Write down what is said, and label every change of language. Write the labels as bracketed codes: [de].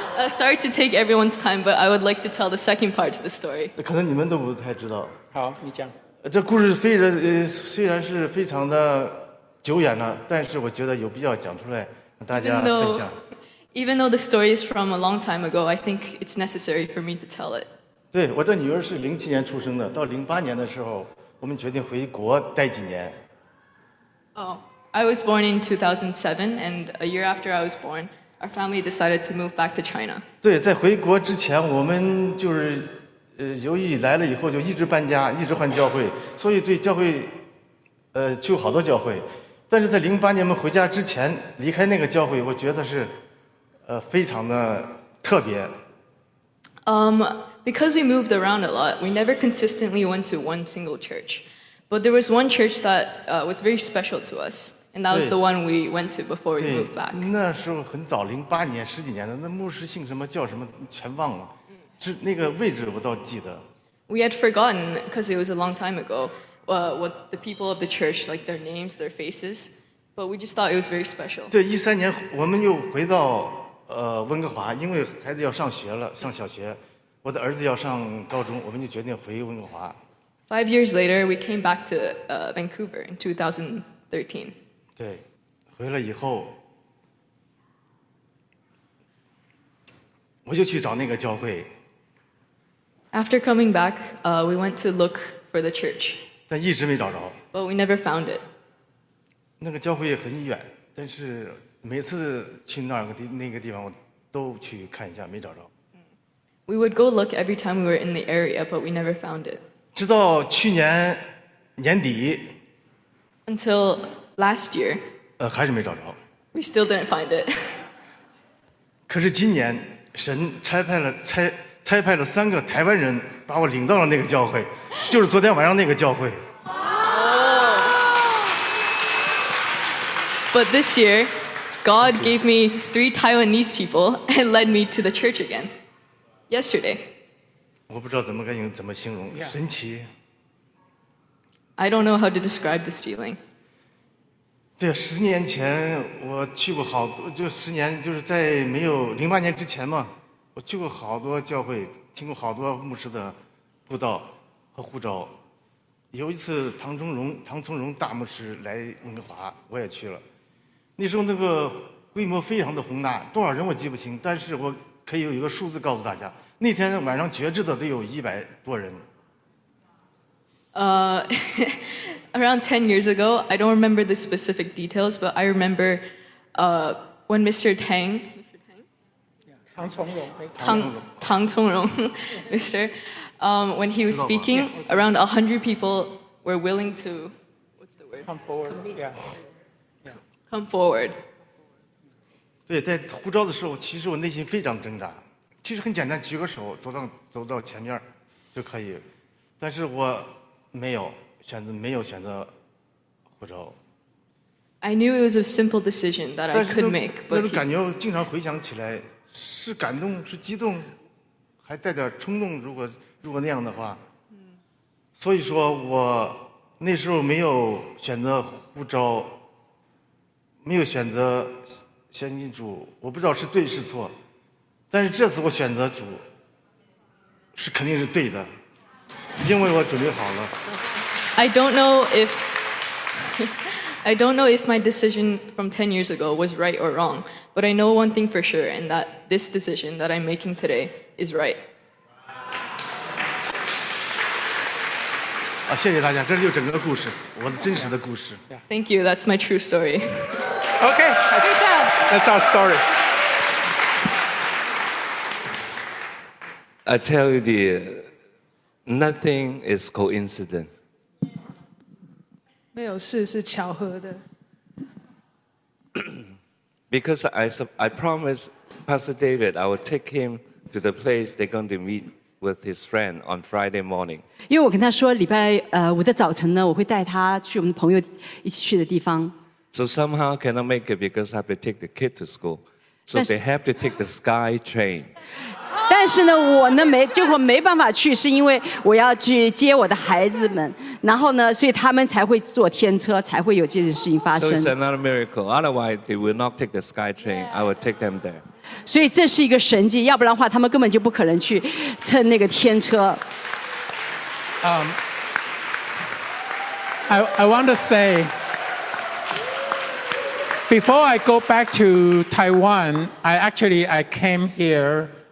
[en] Sorry to take everyone's time, but I would like to tell the second part of the story. [zh] 可能你们都不太知道。好，你讲。这故事虽然是非常的久远了，但是我觉得有必要讲出来，让大家分享。 [en] Even though the story is from a long time ago, I think it's necessary for me to tell it. [zh] 对，我这女儿是零七年出生的，到零八年的时候，我们决定回国待几年。 [en] I was born in 2007, and a year after I was born, our family decided to move back to China. [zh] 对，在回国之前，我们就是，由于来了以后就一直搬家，一直换教会，所以对教会，去好多教会。但是在零八年我们回家之前，离开那个教会，我觉得是，非常的特别。 [en] Because we moved around a lot, we never consistently went to one single church. But there was one church that was very special to us, and that was the one we went to before we moved back. [zh] 那时候很早，零八年十几年的，那牧师姓什么叫什么全忘了，那个位置我倒记得。 [en] We had forgotten because it was a long time ago. What the people of the church like their names, their faces, but we just thought it was very special. [zh] 对，一三年我们又回到温哥华，因为孩子要上学了，上小学。我的儿子要上高中，我们就决定回温哥华。 [en] Five years later, we came back to Vancouver in 2013. [zh] 对，回来以后，我就去找那个教会。 [en] After coming back, we went to look for the church. [zh] 但一直没找着。 [en] But we never found it. [zh] 那个教会也很远，但是每次去那个地方，我都去看一下，没找着。 [en] We would go look every time we were in the area, but we never found it. [zh] 直到去年年底。 [en] Until last year. [zh] 还是没找着。 [en] We still didn't find it. [zh] 可是今年神差派了三个台湾人把我领到了那个教会，就是昨天晚上那个教会。 [en] But this year, God gave me three Taiwanese people and led me to the church again. Yesterday. [zh] 我不知道怎么形容，神奇。 [en] I don't know how to describe this feeling. [zh] 对，十年前我去过好多，就十年就是在没有零八年之前嘛。我去过好多教会，听过好多牧师的布道和呼召。有一次唐崇荣大牧师来温哥华，我也去了。那时候那个规模非常的宏大，多少人我记不清，但是我可以有一个数字告诉大家，那天晚上觉知的得有100多人。 [en] Around 10 years ago, I don't remember the specific details, but I remember when Mr. Tang... Tang Chongrong, when he was speaking, around 100 people were willing to, what's the word? Come forward. Come forward. [zh] 对，在呼召的时候，其实我内心非常挣扎。其实很简单，举个手，走到前面就可以。但是我没有选择呼召。 [en] I knew it was a simple decision that I could make, but [zh] 那种感觉经常回想起来。是感动，是激动，还带点冲动。如果那样的话，所以说我那时候没有选择呼召，没有选择先进主，我不知道是对是错，但是这次我选择主，是肯定是对的，因为我准备好了。 [en] I don't know if my decision from 10 years ago was right or wrong, but I know one thing for sure, and that this decision that I'm making today is right. [zh] 啊，谢谢大家，这就是整个故事，我的真实的故事。 [en] Thank you, that's my true story. Okay, good job. That's our story. I tell you, nothing is coincidence. [zh] 没有事是巧合的。 [en] Because I promised Pastor David I would take him to the place they're going to meet with his friend on Friday morning. [zh] 因为我跟他说礼拜五的早晨呢，我会带他去我们朋友一起去的地方。 [en] So somehow cannot make it because I have to take the kid to school. So they have to take the sky train. [zh] 但是呢，我没办法去，是因为我要去接我的孩子们，然后呢，所以他们才会坐天车，才会有这件事情发生。 [en] So it's another miracle. Otherwise, they will not take the sky train. I will take them there. [zh] 所以这是一个神迹，要不然的话，他们根本就不可能去乘那个天车。 [en] I want to say, before I go back to Taiwan, I came here.